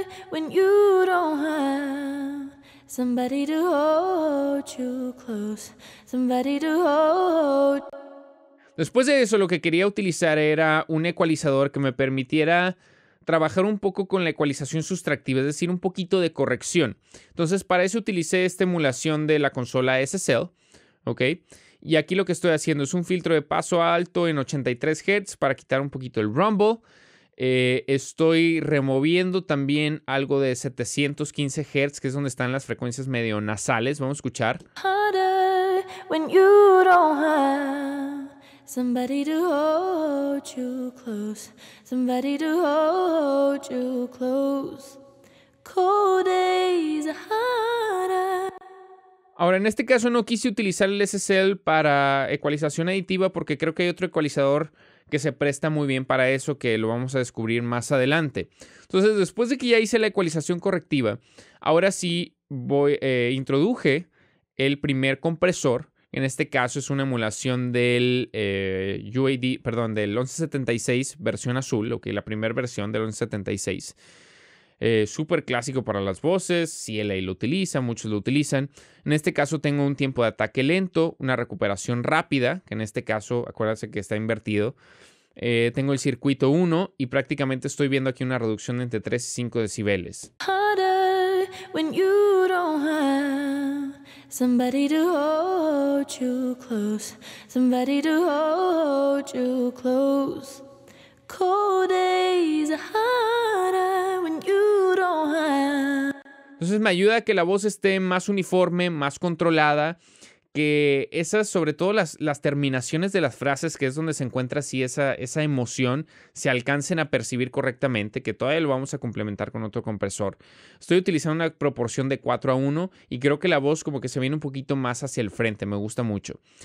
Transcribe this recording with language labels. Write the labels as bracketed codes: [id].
[en] When you don't have somebody to hold you close, somebody to hold. [es] Después de eso, lo que quería utilizar era un ecualizador que me permitiera trabajar un poco con la ecualización sustractiva, es decir, un poquito de corrección. Entonces, para eso utilicé esta emulación de la consola SSL, ¿ok? Y aquí lo que estoy haciendo es un filtro de paso alto en 83 Hz para quitar un poquito el rumble. Estoy removiendo también algo de 715 Hz, que es donde están las frecuencias medio nasales. Vamos a escuchar. [en] When you don't have somebody to hold you close, somebody to hold you close. Cold days are harder. [es] Ahora, en este caso no quise utilizar el SSL para ecualización aditiva porque creo que hay otro ecualizador que se presta muy bien para eso, que lo vamos a descubrir más adelante. Entonces, después de que ya hice la ecualización correctiva, ahora sí voy, introduje el primer compresor. En este caso es una emulación del del 1176 versión azul, o que la primera versión del 1176. Súper clásico para las voces, CLA lo utiliza, muchos lo utilizan. En este caso tengo un tiempo de ataque lento, una recuperación rápida, que en este caso, acuérdense que está invertido. Tengo el circuito 1 y prácticamente estoy viendo aquí una reducción de entre 3 y 5 decibeles. [en] When you don't have somebody to hold you close, somebody to hold you close. Cold days are harder when you don't have. [es] Entonces me ayuda a que la voz esté más uniforme, más controlada, que esas, sobre todo las terminaciones de las frases, que es donde se encuentra así esa emoción, se alcancen a percibir correctamente, que todavía lo vamos a complementar con otro compresor. Estoy utilizando una proporción de 4 a 1 y creo que la voz como que se viene un poquito más hacia el frente, me gusta mucho.